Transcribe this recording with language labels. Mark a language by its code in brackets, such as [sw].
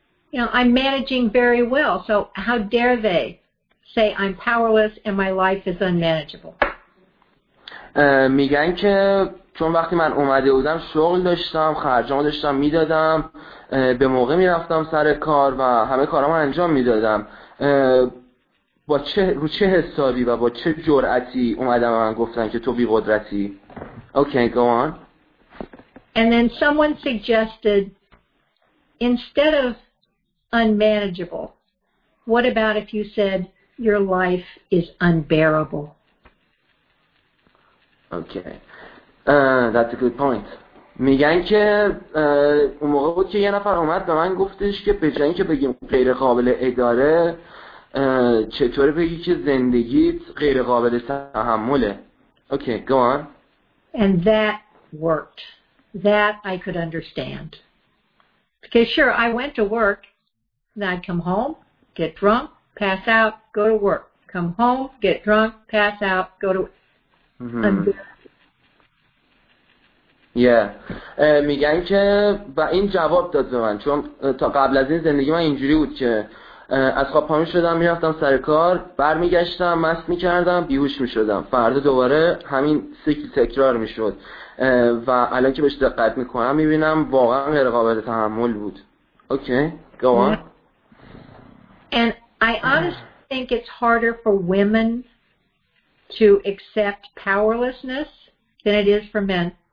[en] You know, I'm managing very well, so how dare they say I'm powerless and my life is unmanageable? [fa] میگن که چون وقتی من اومده بودم شغل داشتم، خرجامو داشتم میدادم، به موقع میرفتم سر کار و همه کارامو انجام میدادم، با چه حسابی و با چه جرأتی اومدم و من گفتن که تو بی قدرتی؟ [en] Okay, go on. And then someone suggested, instead of unmanageable, what about if you said your life is unbearable? Okay, that's a good point. میگن که اون موقع بود که یه نفر اومد به من گفتش که به جای اینکه بگیم غیر قابل اداره، چطوره بگی که زندگیت غیر قابل تحمله. Okay, go on. And that worked. That I could understand. Because sure, I went to work. Then I'd come home, get drunk, pass out, go to work. Come home, get drunk, pass out, go to work. Yeah. [fa] میگن که و این جواب داد به من، چون تا قبل از این زندگی من اینجوری بود که از خواب پا میشدم میرفتم سر کار، برمیگشتم مست میکردم بیهوش میشدم، فردا دوباره همین سیکل تکرار میشد. و الان که بهش دقت میکنم میبینم واقعا غیر قابل تحمل بود. [en] Okay, go on. And I honestly think it's harder for women to accept powerlessness than it is for men.